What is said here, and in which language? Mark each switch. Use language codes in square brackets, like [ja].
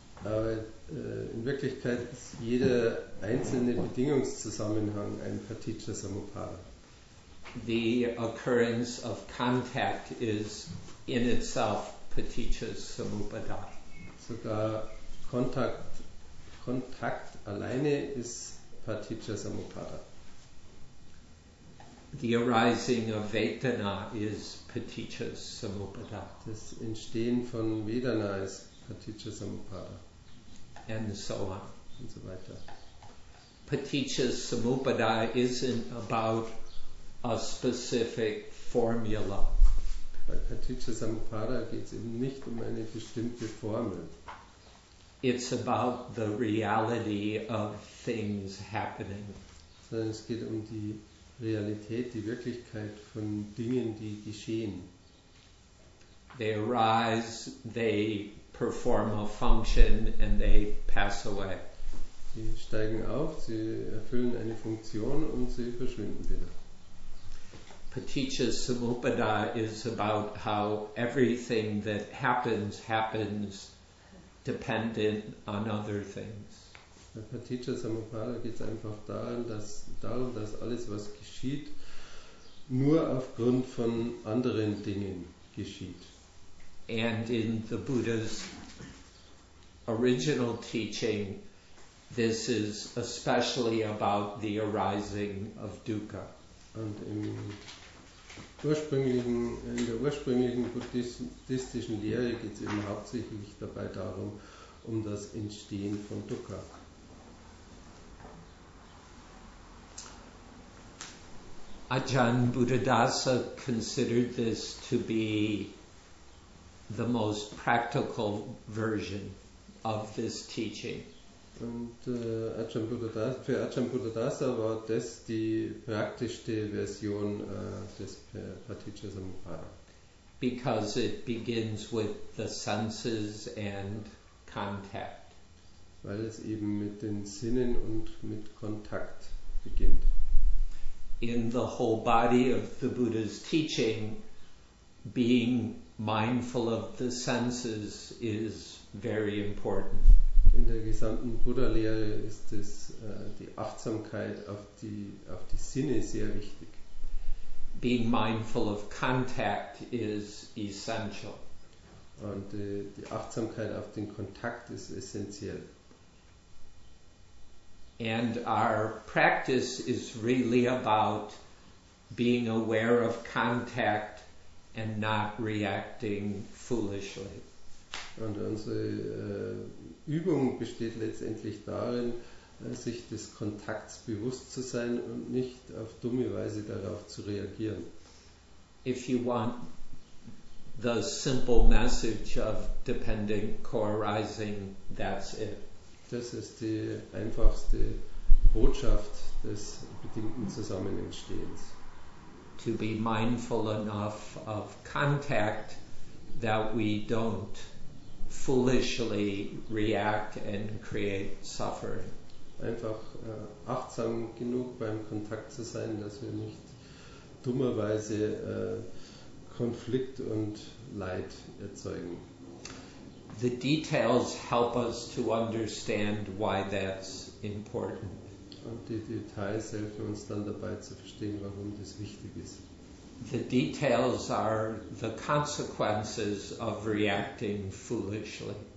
[de] Aber in Wirklichkeit ist jeder einzelne Bedingungszusammenhang ein Paticca Samuppada. [en] The occurrence of contact is in itself Paticca Samuppada. [de] Sogar Kontakt alleine ist Paticca Samuppada. [en] The arising of Vedana is Paticca Samuppada. [de] Das Entstehen von Vedana ist Paticca Samuppada. [en] And so on. [de] Und so weiter. [en] Paticca Samuppada isn't about a specific formula. [de] Bei Paticca Samuppada geht es eben nicht um eine bestimmte Formel. [en] It's about the reality of things happening. [de] Sondern es geht um die Realität, die Wirklichkeit von Dingen, die geschehen. [en] They arise, they perform a function and they pass away. [de] Sie steigen auf, sie erfüllen eine Funktion und sie verschwinden wieder. [en] Paticca Samuppada is about how everything that happens happens dependent on other things. [de] Bei Paticca Samuppada geht es einfach darum, dass alles, was geschieht, nur aufgrund von anderen Dingen geschieht. [en] And in the Buddha's original teaching, this is especially about the arising of dukkha. [de] Und in der ursprünglichen buddhistischen Lehre geht es eben hauptsächlich dabei darum, um das Entstehen von Dukkha. [en] Ajahn Buddhadasa considered this to be the most practical version of this teaching. [de] Und für Ajahn Buddhadasa war das die praktischste Version des Paticca Samuppada. [en] Because it begins with the senses and contact. [de] Weil es eben mit den Sinnen und mit Kontakt beginnt. [en] In the whole body of the Buddha's teaching, being mindful of the senses is very important. [de] In der gesamten Buddha-Lehre ist es die Achtsamkeit auf die Sinne sehr wichtig. [en] Being mindful of contact is essential. [de] Und die Achtsamkeit auf den Kontakt ist essentiell. [en] And our practice is really about being aware of contact and not reacting foolishly. [de] Und unsere Übung besteht letztendlich darin, sich des Kontakts bewusst zu sein und nicht auf dumme Weise darauf zu reagieren. [en] If you want the simple message of dependent co-arising, that's it. [de] Das ist die einfachste Botschaft des bedingten Zusammenentstehens. [en] To be mindful enough of contact that we don't foolishly react and create suffering. [de] Einfach achtsam genug beim Kontakt zu sein, dass wir nicht dummerweise Konflikt und Leid erzeugen. [en] The details help us to understand why that's important. [de] Und die Details helfen uns dann dabei zu verstehen, warum das wichtig ist. [en] The details are the consequences of reacting foolishly.